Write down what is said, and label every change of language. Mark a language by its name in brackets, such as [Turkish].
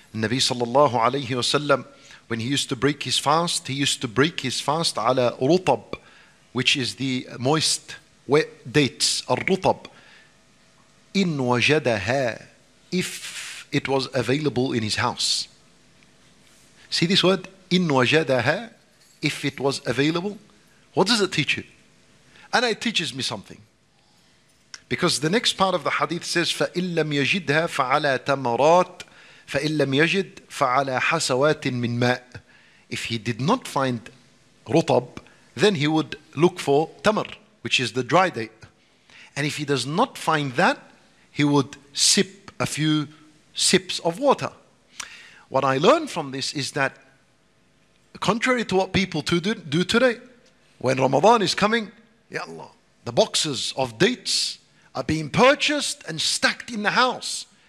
[English] Nabi sallallahu alayhi wasallam, when he used to break his fast, he used to break his fast [Arabic] ala rutab, [English] which is the moist, wet dates, al-rutab. [Arabic] In wajadaha, [English] if it was available in his house. See this word, [Arabic] in wajadaha, [English] if it was available. What does it teach you? And it teaches me something. Because the next part of the hadith says, [Arabic] فَإِنْ لَمْ يَجِدْهَا فَعَلَى تَمَرَاتٍ فَإِنْ لَمْ يَجِدْ فَعَلَى حَسَوَاتٍ مِّنْ مَاءٍ. [English] If he did not find rutab, then he would look for tamar, which is the dry date. And if he does not find that, he would sip a few sips of water. What I learned from this is that contrary to what people do today, when Ramadan is coming, ya Allah, the boxes of dates are being purchased and stacked in the house.